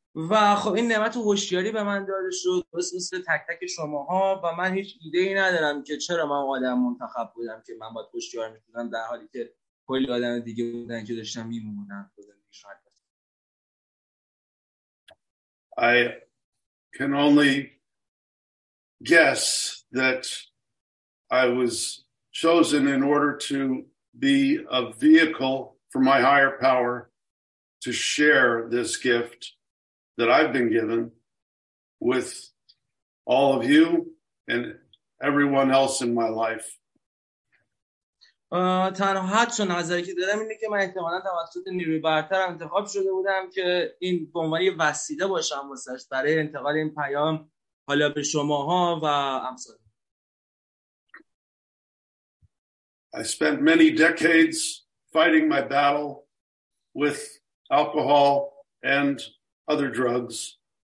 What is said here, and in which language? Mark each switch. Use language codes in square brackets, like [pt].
[fa] و خب این نعمت هوشیاری به من داده شد مثل تک تک شماها و من هیچ ایده ای ندارم که چرا من آدم منتخب بودم که من باید هوشیار میشدم در حالی که کلی آدم دیگه بودن که داشتم میمونن. [en] I can only guess that I was chosen in order to be a vehicle for my higher power to share this gift that I've been given with all of you and everyone else in my life. [fa] تنها حدس و نظری که دارم اینه که من احتمالا توسط نیروی برتر انتخاب شده بودم که این به عنوان یه وسیله باشم واسش برای انتقال این پیام حالا به شماها و امثال. [en] I spent many decades fighting my battle with alcohol and other drugs.